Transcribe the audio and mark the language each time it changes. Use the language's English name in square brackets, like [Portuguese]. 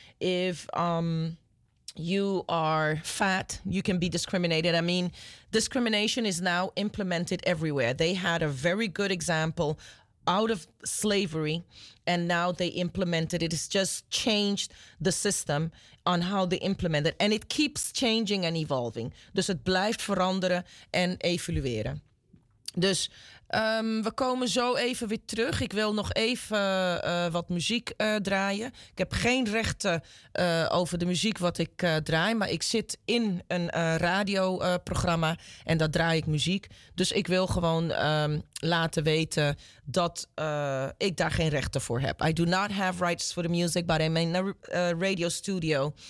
[English] If you are fat, you can be discriminated. I mean, discrimination is now implemented everywhere. They had a very good example out of slavery, and now they implemented it. It's just changed the system on how they implement it. And it keeps changing and evolving. [Dutch] Dus het blijft veranderen en evolueren. Dus we komen zo even weer terug. Ik wil nog even wat muziek draaien. Ik heb geen rechten over de muziek wat ik draai. Maar ik zit in een radioprogramma en daar draai ik muziek. Dus ik wil gewoon laten weten dat ik daar geen rechten voor heb. [English] I do not have rights for the music, but I'm in a radio studio.